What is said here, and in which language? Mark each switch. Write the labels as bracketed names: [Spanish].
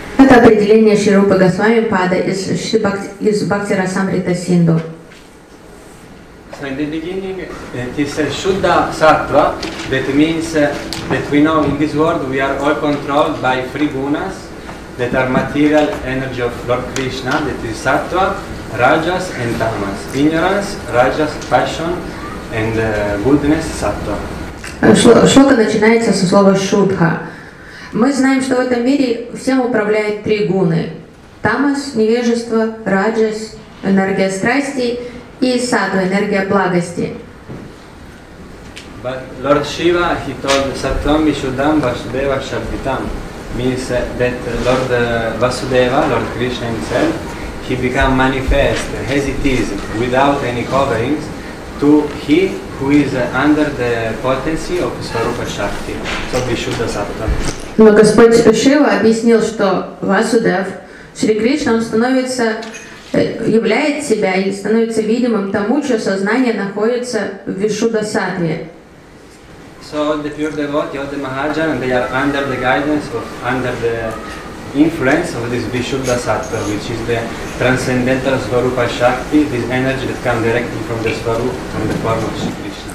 [Russian] Это определение Шри Рупы Госвами Пада из Бхакти Расамрита Синду. [English] So in the beginning it is Shuddha Sattva, that means that we know in this world we are all controlled by three gunas that are material energy of Lord Krishna, that is Sattva, Rajas and Tamas. Ignorance, Rajas, passion, and goodness, sattva. [Russian] Шлока начинается со слова шудха. Мы знаем, что в этом мире всем управляют три гуны. Тамас, невежество, раджас, энергия страсти, и сатва, энергия благости. [English] But Lord Shiva, he told [Sanskrit] Sattvam Vishuddham Vasudeva Shabditam. [English] Means that Lord Vasudeva, Lord Krishna himself, he became manifest as it is, without any coverings, to he who is under the potency of Svarupa Shakti, so Vishuddha Sattva. [Russian] Но Господь Шива объяснил, что Васудев, Шри Кришна, он становится являет себя или становится видимым тому, чье сознание находится в Вишудасатве. [English] So the pure devotee of the Mahajan, they are under the guidance of, under the influence of this Vishuddhasattva, which is the transcendental Svarupa Shakti, this energy that comes directly from the Svarupa, from the form of Shri Krishna.